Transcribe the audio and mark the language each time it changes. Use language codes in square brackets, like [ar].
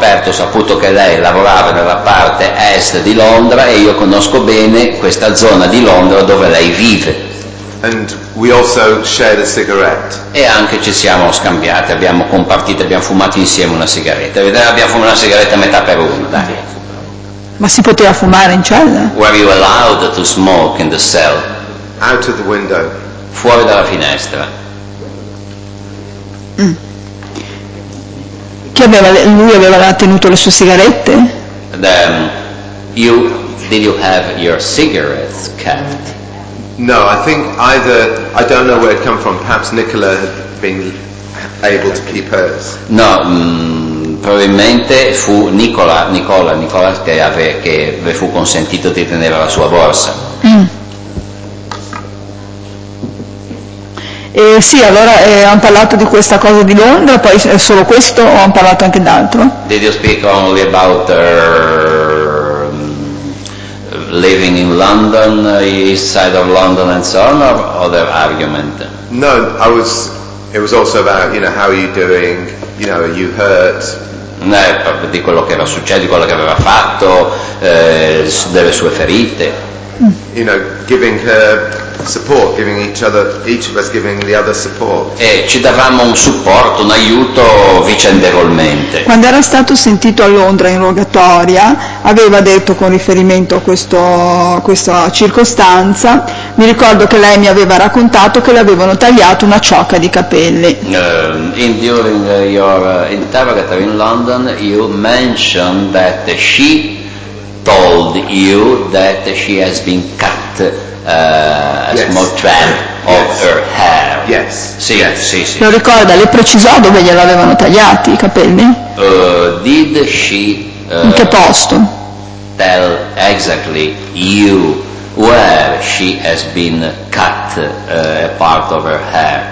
[it] Saputo che lei lavorava nella parte est di Londra, e io conosco bene questa zona di Londra dove lei vive. [en] And we also shared a cigarette. [it] E anche ci siamo scambiati, abbiamo compartito, abbiamo fumato insieme una sigaretta. Vedete, abbiamo fumato una sigaretta a metà per uno, dai. Ma si poteva fumare in cella? [en] Were you allowed to smoke in the cell? Out of the window. [it] Fuori dalla finestra. Chi aveva, lui aveva tenuto le sue sigarette? [en] Did you have your cigarettes kept? No, I think either, I don't know where it came from, perhaps Nicola had been able to keep hers. [it] No, probabilmente fu Nicola che fu consentito di tenere la sua borsa. Sì, allora hanno parlato di questa cosa di Londra, poi è solo questo o hanno parlato anche d'altro? [en] Did you speak only about her living in London, east side of London, and so on, or other argument? No, it was also about, you know, how are you doing, you know, are you hurt? [it] No, di quello che era successo, di quello che aveva fatto, delle sue ferite. [en] You know, giving her support, giving each of us giving the other support. [it] E ci davamo un supporto, un aiuto vicendevolmente. Quando era stato sentito a Londra in rogatoria, aveva detto con riferimento a questa circostanza, mi ricordo che lei mi aveva raccontato che le avevano tagliato una ciocca di capelli. [en] During your interrogatory in London, you mentioned that she told you that she has been cut small strand of her hair. Yes. [it] Sì, [en] yes. [it] Sì, sì. Lo ricorda, le precisò dove glielo avevano tagliati i capelli? [en] Did she [it] in che posto? [en] Tell exactly you where she has been cut a part of her hair.